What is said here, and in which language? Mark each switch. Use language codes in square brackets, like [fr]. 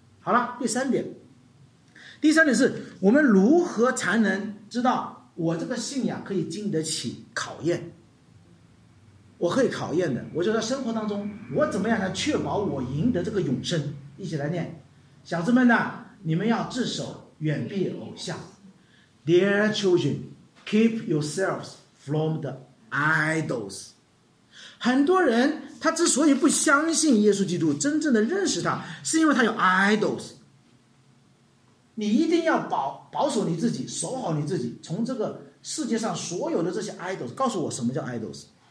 [zh] 好了，第三点是我们如何才能知道我这个信仰可以经得起考验，我可以考验的。我就在生活当中，我怎么样来确保我赢得这个永生？一起来念，小子们呢，你们要自守，远避偶像。 [en] Dear children, keep yourselves from the idols. [zh] 很多人他之所以不相信耶稣基督，真正的认识他，是因为他有 idols。你一定要保守你自己，守好你自己，从这个世界上所有的这些 idols， 告诉我什么叫 idols，